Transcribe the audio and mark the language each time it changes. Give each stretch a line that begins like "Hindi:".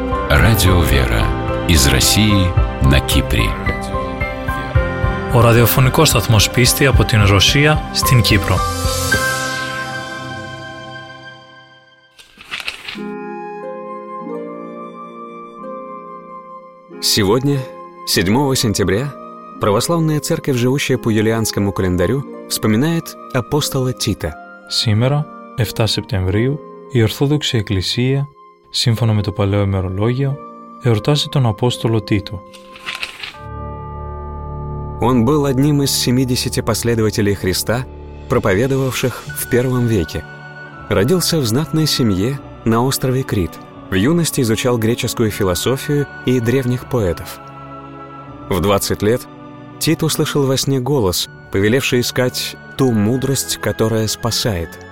Russian: Радио «Вера» из России на Кипре.
Greek: Ο ραδιοφωνικός σταθμός πίστη από την Ρωσία στην Κύπρο.
Russian: Сегодня, 7 сентября, Православная Церковь, живущая по юлианскому календарю, вспоминает апостола Тита. Сегодня, 7 сентября,
Greek: η Ορθόδοξη Εκκλησία, σύμφωνα με το παλαιό ημερολόγιο, εορτάζει τον Απόστολο Τίτο.
Russian: Он был одним из 70 последователей Христа, проповедовавших в первом веке. Родился в знатной семье на острове Крит. В юности изучал греческую философию и древних поэтов. В 20 лет Тит услышал во сне голос, повелевший искать ту мудрость, которая спасает.